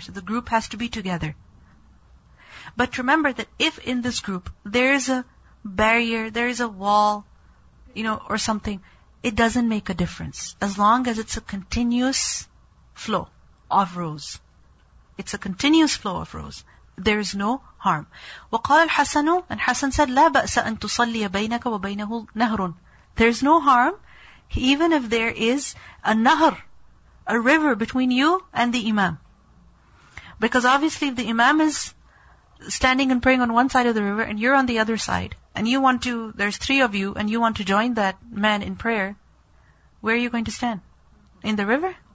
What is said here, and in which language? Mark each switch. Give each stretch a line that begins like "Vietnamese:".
English: So the group has to be together. But remember that if in this group there is a barrier, there is a wall, you know, or something, it doesn't make a difference. As long as it's a continuous flow of rows. It's a continuous flow of rows. There is no harm.
Arabic: وقال الحسن,
English: and Hassan said,
Arabic: لا بأس أن تصلي بينك وبينه نهر.
English: There is no harm, even if there is a nahr, a river between you and the imam. Because obviously if the imam is standing and praying on one side of the river and you're on the other side, and you want to, there's three of you, and you want to join that man in prayer, where are you going to stand? In the river?